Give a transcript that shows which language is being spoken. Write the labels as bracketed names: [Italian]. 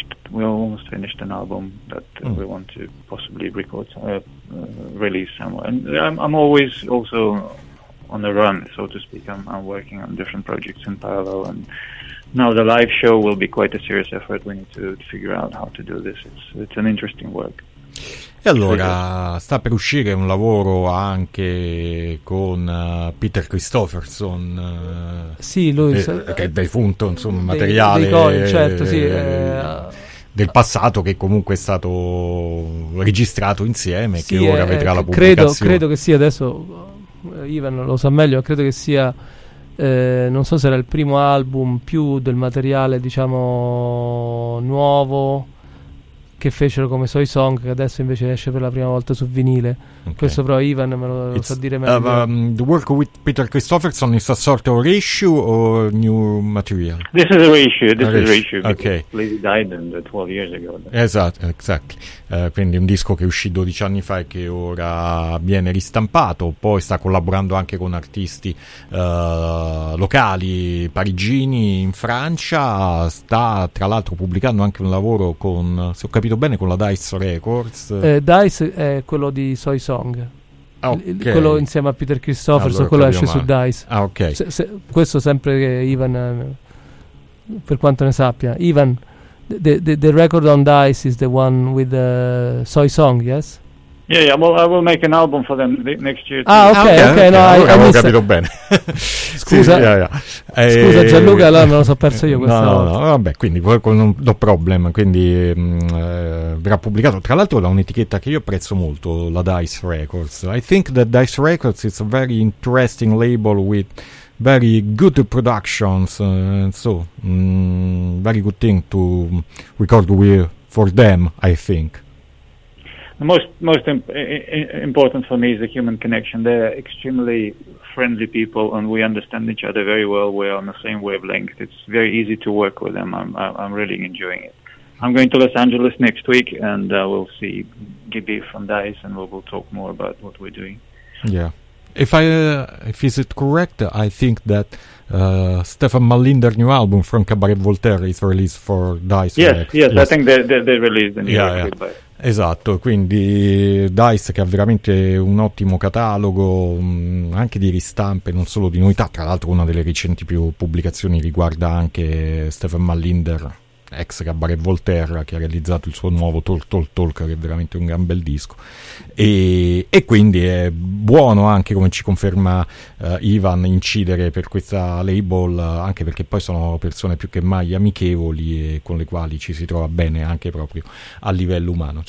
[English] We almost finished an album that we want to possibly record, release somewhere. And I'm always also on the run, so to speak. I'm working on different projects in parallel. And now the live show will be quite a serious effort. We need to figure out how to do this. It's an interesting work. [Italian] E allora, sta per uscire un lavoro anche con Peter Christopherson, sì, lui, che è defunto, insomma, materiale del passato, che comunque è stato registrato insieme, sì, che ora vedrà la pubblicazione. Credo che sia, adesso Ivan lo sa meglio, credo che sia, non so se era il primo album più del materiale, diciamo, nuovo, che fecero come Soy Song, che adesso invece esce per la prima volta su vinile. Okay. Questo però Ivan me lo sa dire meglio. [English] The work with Peter Christopherson is a sort of reissue or new material? This is a reissue. This is a reissue. Okay. Lady Diamond, 12 years ago. [Italian] Esatto. Quindi un disco che uscì 12 anni fa e che ora viene ristampato. Poi sta collaborando anche con artisti locali, parigini, in Francia. Sta tra l'altro pubblicando anche un lavoro con, se ho capito bene, con la Dice Records. Dice è quello di Soy Song. Okay. Quello insieme a Peter Christopher, allora, quello esce su Dice. Ah, ok. Questo sempre che Ivan, per quanto ne sappia, Ivan... [English] The record on Dice is the one with the Soy Song, yes? Yeah, yeah, well, I will make an album for them next year. Ah, ok, ok, [Italian] allora capito bene. Scusa, sì, [English] yeah, yeah. [Italian] Scusa Gianluca, allora me lo so perso io questa No, vabbè, quindi con un [English] no problem, [Italian] quindi verrà pubblicato. Tra l'altro da un'etichetta che io apprezzo molto, la Dice Records. [English] I think that Dice Records is a very interesting label with very good productions, so very good thing to record with for them, I think. The most important for me is the human connection. They're extremely friendly people, and we understand each other very well. We're on the same wavelength. It's very easy to work with them. I'm really enjoying it. I'm going to Los Angeles next week, and we'll see Gibby from Dice, and we'll talk more about what we're doing. Yeah. If it is correct, I think that Stefan Malinder's new album from Cabaret Voltaire is released for Dice. Yes, I think they released the new record. Yeah. [Italian] Esatto, quindi Dice che ha veramente un ottimo catalogo, anche di ristampe, non solo di novità. Tra l'altro una delle recenti più pubblicazioni riguarda anche Stefan Malinder, ex Cabaret Voltaire, che ha realizzato il suo nuovo Talk, che è veramente un gran bel disco, e quindi è buono anche, come ci conferma Ivan, incidere per questa label, anche perché poi sono persone più che mai amichevoli e con le quali ci si trova bene anche proprio a livello umano.